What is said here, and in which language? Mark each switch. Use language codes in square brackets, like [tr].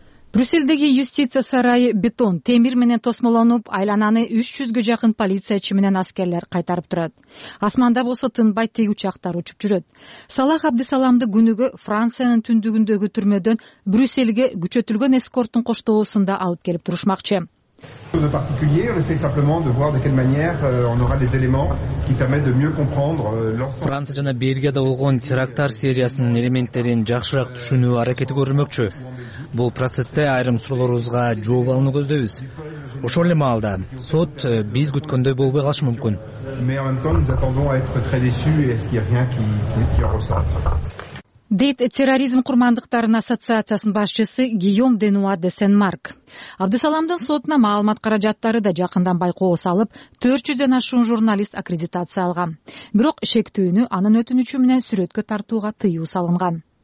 [ky] Брюссельдеги юстиция сарайы бетон, темир менен тосмолонуп, айлананы 300 жакын полициячы менен аскерлер кайтарып турат. Асманда болсо тынбай тик учактар учуп жүрөт. Салах Абдысаламды күнүгө Франциянын түндүгүндөгү түрмөдөн Брюссельге күчөтүлгөн эскорттун коштоосунда алып келип турушмакчы. [fr] De particulier, on essaie simplement de voir de quelle manière on aura des éléments qui permettent de mieux comprendre l'ensemble. [ky] Франция жана Бельгияда болгон терактар сериясынын элементтерин жакшыраак түшүнүү аракети көрмөкчү. Бул процессте айрым суроолорубузга жооп алууну көздөйбүз. Ошол эле маалда сот биз күткөндөй болбой калышы мүмкүн. [fr] Mais en même temps, nous attendons à être très déçus et est-ce qu'il y a rien qui ressort? [ky] Дейт терроризм курмандыктарынын ассоциациясынын башчысы Гийом Денуа де Сен-Марк. Абдысаламдын сотуна маалымат каражаттары да жакындан байкоо салып, 400 ашуун журналист аккредитация алган. Бирок шектүүнү анын өтүнүчү менен сүрөткө тартууга тыюу салынган.